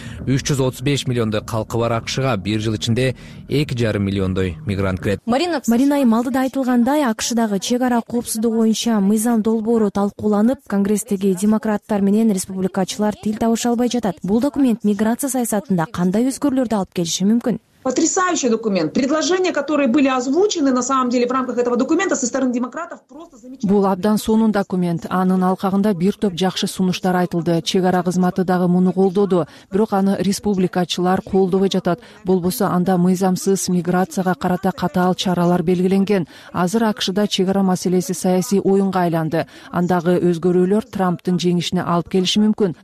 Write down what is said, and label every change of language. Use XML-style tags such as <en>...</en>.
<ky>335 миллиондой калкы бар АКШга бир жыл ичинде 2.5 миллиондой мигрант кирет. Марина Ымалдыда айтылгандай, АКШдагы чек ара коопсуздугу боюнча мыйзам долбоору талкууланып, конгресстеги демократтар менен республикачылар тил табыша албай жатат. Бул документ миграция саясатында кандай өзгөрүүлөрдү алып келиши мүмкүн?</ky> <ru>Потрясающий документ. Предложения, которые были озвучены на самом деле в рамках этого документа со стороны демократов, просто замечательные.</ru> <ky>Бул абдан сонун документ. Анын алкагында бир топ жакшы сунуштар айтылды. Чек ара кызматы дагы муну колдоду, бирок аны республикачылар колдобой жатат. Болбосо анда мыйзамсыз миграцияга карата катаал чаралар белгиленген. Азыр АКШда чек ара маселеси саясий оюнга айланды. Андагы өзгөрүүлөр Трамптын жеңишине алып келиши мүмкүн.</ky>